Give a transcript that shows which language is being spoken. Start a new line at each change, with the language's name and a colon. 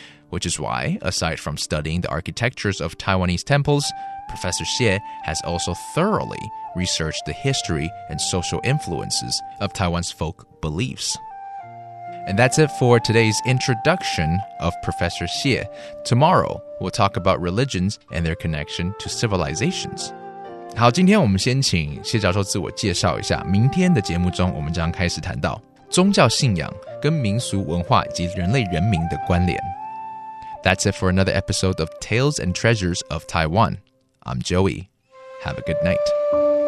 English: Which is why, aside from studying the architectures of Taiwanese temples, Professor Hsieh has also thoroughly researched the history and social influences of Taiwan's folk beliefs. And that's it for today's introduction of Professor Hsieh. Tomorrow, we'll talk about religions and their connection to civilizations.
Chinese: 好，今天我们先请谢教授自我介绍一下。明天的节目中，我们将开始谈到宗教信仰跟民俗文化以及人类人民的关联。
English: That's it for another episode of Tales and Treasures of Taiwan. I'm Joey. Have a good night.